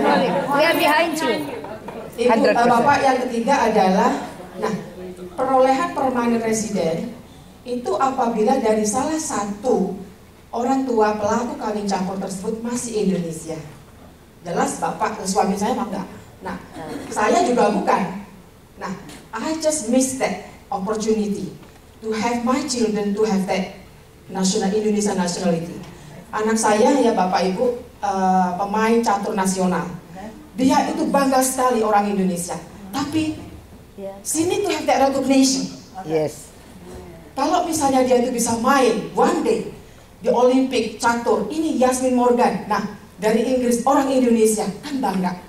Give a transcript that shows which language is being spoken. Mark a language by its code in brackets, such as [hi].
[en] We are behind you. 100%. [id] Itu bapak yang ketiga adalah, nah, perolehan permanent resident itu apabila dari salah satu orang tua pelaku kawin campur tersebut masih Indonesia. Jelas bapak dan suami saya mah enggak. Nah, saya juga bukan. [en] Nah, I just missed that opportunity to have my children to have that national Indonesia nationality. [id] Anak saya ya bapak ibu pemain catur nasional. Dia itu bangga sekali orang Indonesia. Tapi sini [en] to have that recognition. Yes. [id] Kalau misalnya dia itu bisa main [en] one day [id] di Olimpik catur, ini Yasmin Morgan, nah dari Inggris, orang Indonesia, kan bangga.